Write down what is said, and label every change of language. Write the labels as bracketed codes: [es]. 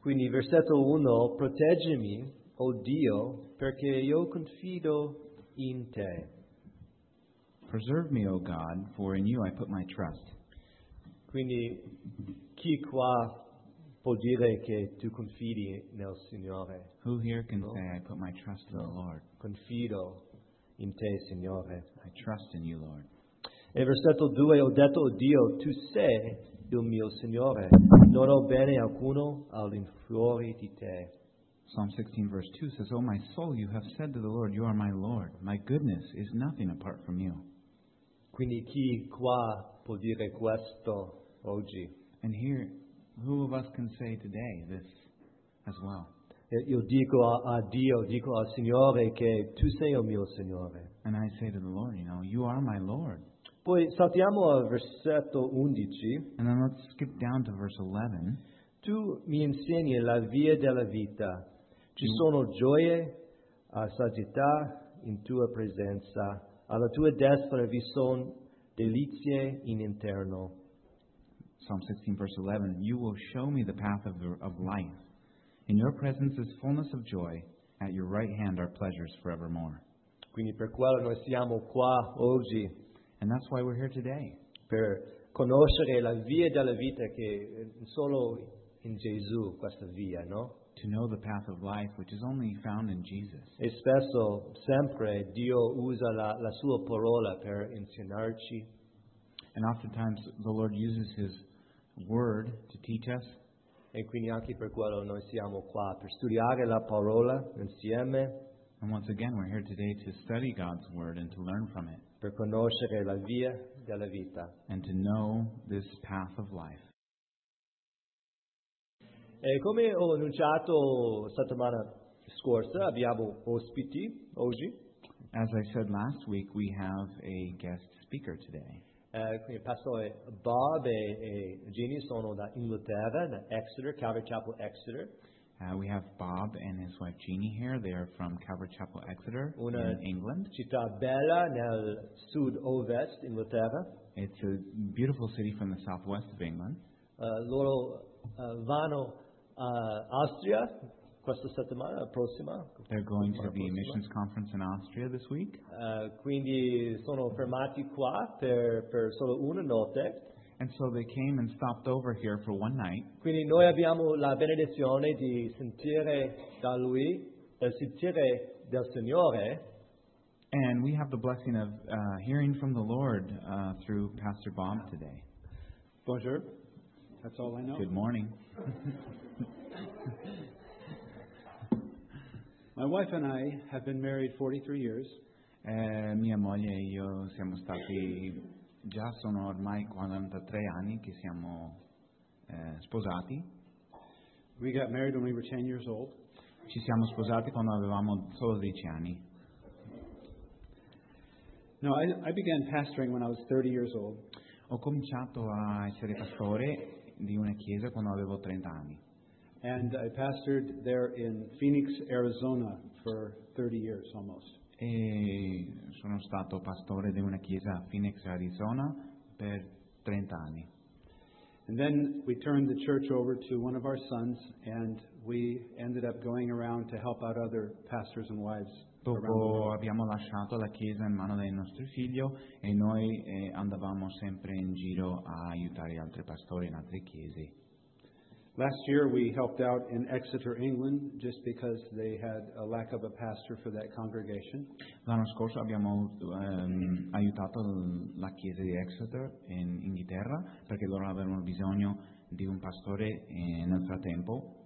[it] Quindi versetto 1, proteggimi, o Dio, perché io confido in te. [en] Preserve me, O God, for in you I put my trust. [it] Quindi chi qua può dire che tu confidi nel Signore? [en] Who here can say I put my trust in the Lord? [it] Confido in te, Signore. [en] I trust in you, Lord. [it] E versetto 2, ho detto a Dio, tu sei il mio Signore, non ho bene alcuno all'infuori di te. [en] Psalm 16, verse 2 says, O my soul, you have said to the Lord, you are my Lord. My goodness is nothing apart from you. [it] Quindi chi qua può dire questo oggi? [en] And here, who of us can say today this as well? [it] Io dico a Dio, dico al Signore che tu sei il mio Signore. [en] And I say to the Lord, you know, you are my Lord. [it] Poi saltiamo al versetto 11. [en] And then let's skip down to verse 11. [it] Tu mi insegni la via della vita. Ci sono gioie a satietà in tua presenza. Alla tua destra vi sono delizie in interno. [en] Psalm 16, verse 11. You will show me the path of life. In your presence is fullness of joy. At your right hand are pleasures forevermore. [it] Quindi per quello noi siamo qua oggi. [en] And that's why we're here today. [it] Per conoscere la via della vita che solo in Gesù questa via, no? [en] To know the path of life, which is only found in Jesus. [it] E spesso, sempre, Dio usa la sua parola per insegnarci. [en] And oftentimes, the Lord uses His word to teach us. [it] E quindi anche per quello noi siamo qua, per studiare la parola insieme. [en] And once again, we're here today to study God's word and to learn from it. [it] Per conoscere la via della vita. [en] And to know this path of life. [it] E come ho annunciato settimana scorsa, abbiamo ospiti oggi. [en] As I said last week, we have a guest speaker today. [it] Quindi Pastore Bob e Jenny sono da Inghilterra, da Exeter, Calvary Chapel Exeter. [en] We have Bob and his wife Jenny here. They are from Calvary Chapel Exeter [it] una [en] in England. [it] Città bella nel sud ovest Inghilterra. [en] It's a beautiful city from the southwest of England. [it] Loro vanno a Austria questa settimana prossima. [en] They're going to the missions conference in Austria this week. [it] Quindi sono fermati qua per solo una notte. [en] And so they came and stopped over here for one night. [it] Quindi noi abbiamo la benedizione di sentire da lui, sentire del Signore. [en] And we have the blessing of hearing from the Lord through Pastor Bob today. Bonjour. That's all I know. Good morning. My wife and I have been married 43 years. [it] Mia moglie e io siamo stati già sono ormai 43 anni che siamo sposati. [en] We got married when we were 10 years old. [it] Ci siamo sposati quando avevamo solo 10 anni. [en] No, I began pastoring when I was 30 years old. [it] Ho cominciato a essere pastore di una chiesa quando avevo 30 anni. [en] And I pastored there in Phoenix, Arizona for 30 years almost. [it] E sono stato pastore di una chiesa a Phoenix, Arizona per 30 anni. [en] And then we turned the church over to one of our sons and we ended up going around to help out other pastors and wives. [it] Dopo abbiamo lasciato la chiesa in mano del nostro figlio e noi andavamo sempre in giro a aiutare altri pastori in altre chiese. [en] Last year we helped out in Exeter, England, just because they had a lack of a pastor for that congregation. [it] L'anno scorso abbiamo aiutato la chiesa di Exeter in Inghilterra perché loro avevano bisogno di un pastore nel frattempo.